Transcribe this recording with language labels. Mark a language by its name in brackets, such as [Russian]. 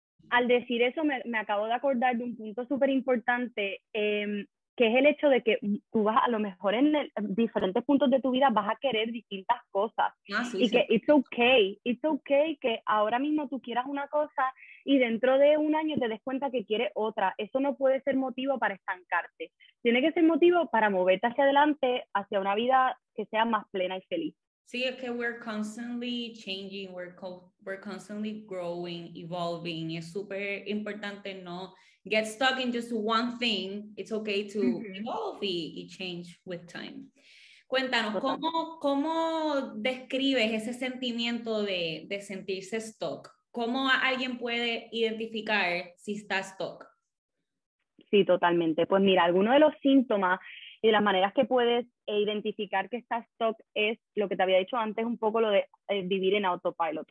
[Spanish] Al decir eso me acabo de acordar de un punto súper importante, que es el hecho de que tú vas a lo mejor en diferentes puntos de tu vida vas a querer distintas cosas. Sí, y sí, que sí. [English] It's okay [Spanish] que ahora mismo tú quieras una cosa y dentro de un año te des cuenta que quieres otra. Eso no puede ser motivo para estancarte. Tiene que ser motivo para moverte hacia adelante, hacia una vida que sea más plena y feliz. Sí, es que [English] we're constantly changing, we're constantly growing, evolving. [Spanish] Es súper importante no [English] get stuck in just one thing. It's okay to evolve [Spanish] y [English] change with time. [Spanish] Cuéntanos, ¿cómo describes ese sentimiento de sentirse stuck? ¿Cómo alguien puede identificar si está stuck? Sí, totalmente. Pues mira, algunos de los síntomas y las maneras que puedes e identificar que estás stuck es lo que te había dicho antes, un poco lo de vivir en autopilot.